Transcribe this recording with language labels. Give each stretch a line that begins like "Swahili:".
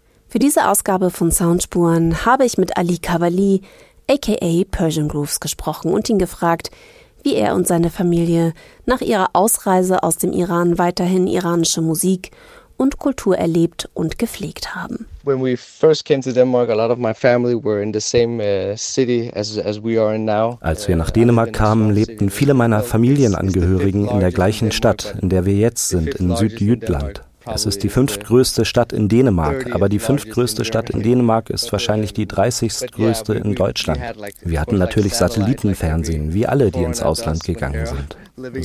German: Für diese Ausgabe von Soundspuren habe ich mit Ali Kabali, aka Persian Grooves, gesprochen und ihn gefragt, wie er und seine Familie nach ihrer Ausreise aus dem Iran weiterhin iranische Musik und Kultur erlebt und gepflegt haben.
English: When we first came to Denmark, a lot of my family were in the same city as we are in now.
German: Als wir nach Dänemark kamen, lebten viele meiner Familienangehörigen in der gleichen Stadt, in der wir jetzt sind, in Südjütland. Es ist die fünftgrößte Stadt in Dänemark, aber die fünftgrößte Stadt in Dänemark ist wahrscheinlich die 30. größte in Deutschland. Wir hatten natürlich Satellitenfernsehen, wie alle, die ins Ausland gegangen sind.